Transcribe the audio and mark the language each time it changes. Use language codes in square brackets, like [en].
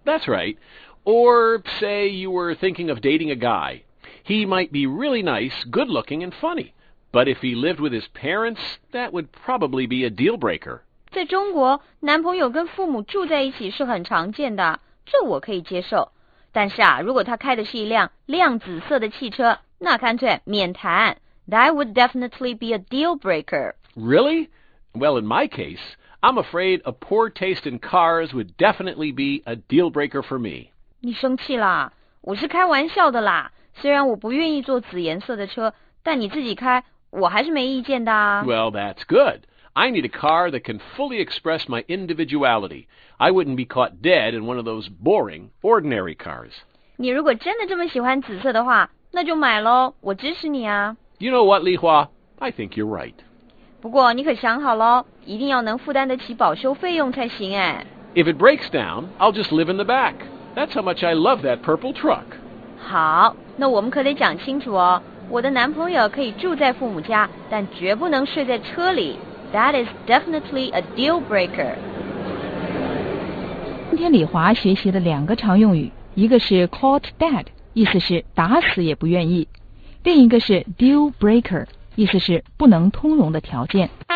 [en] That's right. Or say you were thinking of dating a guy. He might be really nice, good looking, and funny. But if he lived with his parents, that would probably be a deal breaker. [zh] 在中国，男朋友跟父母住在一起是很常见的，这我可以接受。但是啊，如果他开的是一辆亮紫色的汽车，那干脆免谈。 [en] That would definitely be a deal breaker. Really? Well, in my case, I'm afraid a poor taste in cars would definitely be a deal breaker for me. [zh] 你生气啦？我是开玩笑的啦。虽然我不愿意坐紫颜色的车，但你自己开，我还是没意见的啊。 [en] Well, that's good. I need a car that can fully express my individuality. I wouldn't be caught dead in one of those boring, ordinary cars. [zh] 你如果真的这么喜欢紫色的话，那就买咯，我支持你啊。 [en] You know what, Li Hua? I think you're right. [zh] 不过你可想好咯，一定要能负担得起保修费用才行哎。 [en] If it breaks down, I'll just live in the back. That's how much I love that purple truck. [zh] 好，那我们可得讲清楚哦。我的男朋友可以住在父母家，但绝不能睡在车里。 [en] That is definitely a deal breaker. [zh] 今天李华学习了两个常用语，一个是 caught dead。意思是打死也不愿意，另一个是 deal breaker， 意思是不能通融的条件。